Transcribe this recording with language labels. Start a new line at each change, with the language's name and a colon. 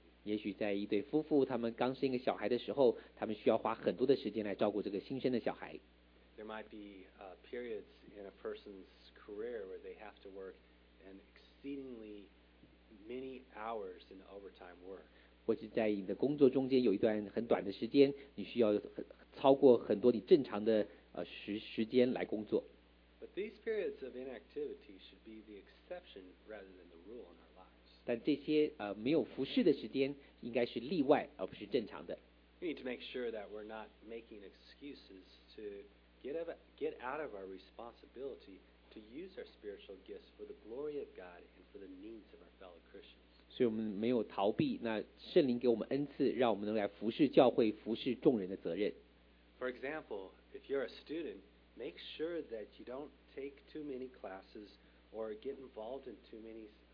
Chinese: 也许在一对夫妇他们刚生一个小孩的时候，他们需要花很多的时间来照顾这个新生的小孩。
English: There might be periods in a person's career where they have to work an exceedingly many hours in overtime work.
Chinese: 或者在你的工作中间有一段很短的时间，你需要超过很多你正常的时间来工作。
English: But these periods of inactivity should be the exception rather than the rule.
Chinese: 但这些没有服事的时间应该是例外，而不是正常的。
English: We need to make sure that we're not making excuses to get out of our responsibility to use our spiritual gifts for the glory of God and for the needs of our fellow Christians.
Chinese: 所以我们没有逃避那圣灵给我们恩赐，让我们能来服事教会、服事众人的责任。
English: For example, if you're a student, make sure that you don't take too many classes or get involved in too many.